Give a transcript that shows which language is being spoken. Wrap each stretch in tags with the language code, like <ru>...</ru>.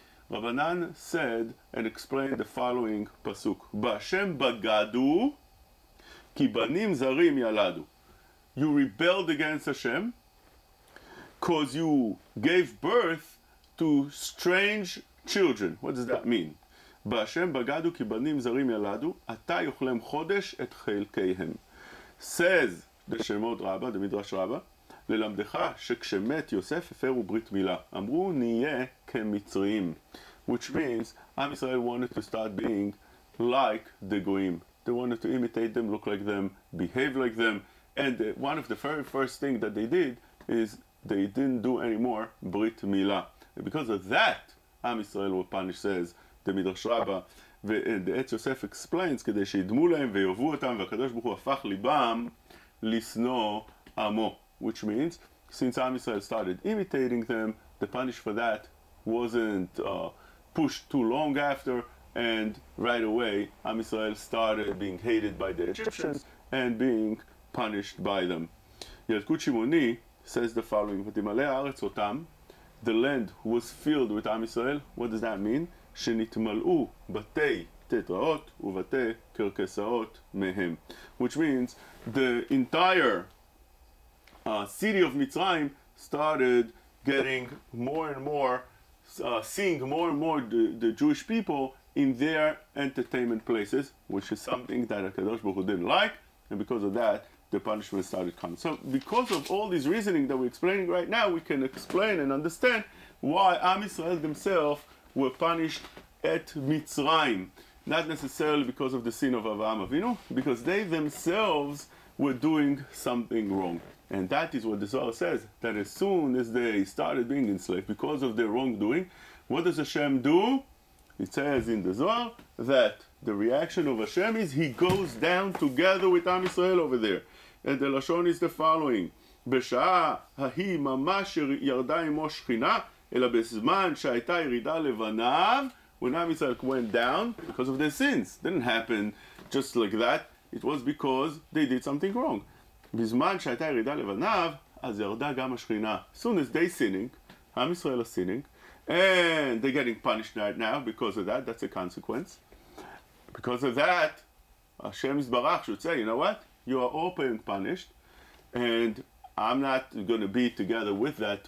<en>Rabbanan said and explained the following pasuk:</en> <he>"Ba'ashem bagadu כי בנים זרים ילדו.</he> <en>You rebelled against Hashem because you gave birth to strange children. What does that mean?</en> <he>בהשם בגדו כי בנים זרים ילדו, אתה יוכלם חודש את חלקיהם.</he> <en>Says the Shemot Rabba, the Midrash Rabba,</en> <he>ללמדך שכשמת יוסף הפרו ברית מילה. אמרו נהיה כמצרים.</he> <en>Which means, Am Israel wanted to start being like the Goyim. They wanted to imitate them, look like them, behave like them. And one of the very first things that they did is they didn't do anymore Brit Milah. Because of that, Am Yisrael will punish, says the Midrash Rabbah. And the Etz Yosef explains,</en> <he>כדי שידמו להם ויובו אותם, והקדוש ברוך הוא הפך ליבם לסנוע עמו.</he> <en>Which means, since Am Yisrael started imitating them, the punish for that wasn't pushed too long after, and right away, Am Yisrael started being hated by the Egyptians and being punished by them. Yadkut Shimoni says the following,</en> <he>ותמלא הארץ אותם,</he> <en>the land was filled with Am Yisrael. What does that mean?</en> <he>שנתמלאו בתי תתראות ובתי קרקסאות מהם.</he> <en>Which means the entire city of Mitzrayim started getting more and more, seeing more and more the Jewish people in their entertainment places, which is something that HaKadosh Baruch Hu didn't like, and because of that, the punishment started coming. So, because of all this reasoning that we're explaining right now, we can explain and understand why Am Yisrael themselves were punished at Mitzrayim. Not necessarily because of the sin of Avraham Avinu, because they themselves were doing something wrong. And that is what the Zohar says, that as soon as they started being enslaved because of their wrongdoing, what does Hashem do? It says in the Zohar that the reaction of Hashem is he goes down together with Am Yisrael over there. And the Lashon is the following.</en> <he>בשעה ההיא ממש ירדה עם ראש שכינה, אלא בזמן שהייתה ירידה לבניו,</he> <en>when Am Yisrael went down because of their sins. Didn't happen just like that. It was because they did something wrong.</en> <he>בזמן שהייתה ירידה לבניו, אז ירדה גם השכינה.</he> <en>As soon as they sinning, Am Yisrael are sinning, and they're getting punished right now because of that. That's a consequence. Because of that, Hashem Yisbarach should say, you know what? You are all being punished, and I'm not going to be together with that.</en>